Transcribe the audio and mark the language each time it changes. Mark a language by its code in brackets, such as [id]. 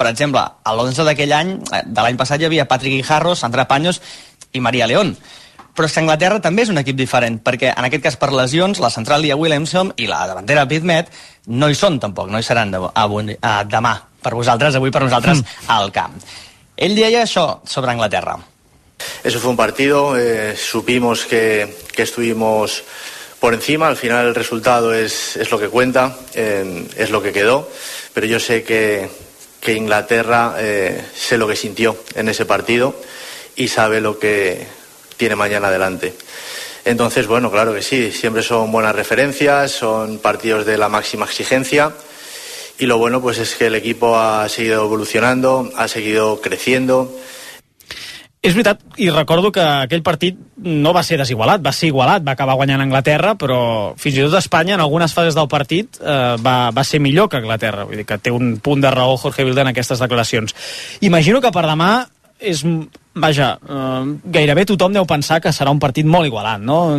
[ca] Per exemple, a l'11 d'aquell any, de l'any passat, hi havia Patrick Guijarro, Sandra Paños i Maria León. Però és que Anglaterra també és un equip diferent, perquè en aquest cas per lesions, la central Lia Williamson i la davantera Bidmet no hi són tampoc, no hi seran demà per vosaltres, avui per nosaltres, al camp. [es] Él decía eso sobre Inglaterra. Eso fue un partido, supimos que estuvimos por encima, al final el resultado es lo que cuenta, es lo que quedó, pero yo sé que Inglaterra sé lo que sintió en ese partido y sabe lo que tiene mañana adelante. Entonces, bueno, claro que sí, siempre son buenas referencias, son partidos de la máxima exigencia. Y lo bueno pues es que el equipo ha seguido evolucionando, ha seguido creciendo. [ca] És veritat, i recordo que aquell partit no va ser desigualat, va ser igualat, va acabar guanyant Anglaterra, però fins i tot Espanya en algunes fases del partit va ser millor que Anglaterra. Vull dir que té un punt de raó Jorge Bilda en aquestes declaracions. Imagino que per demà és, vaja, gairebé tothom deu pensar que serà un partit molt igualat, no?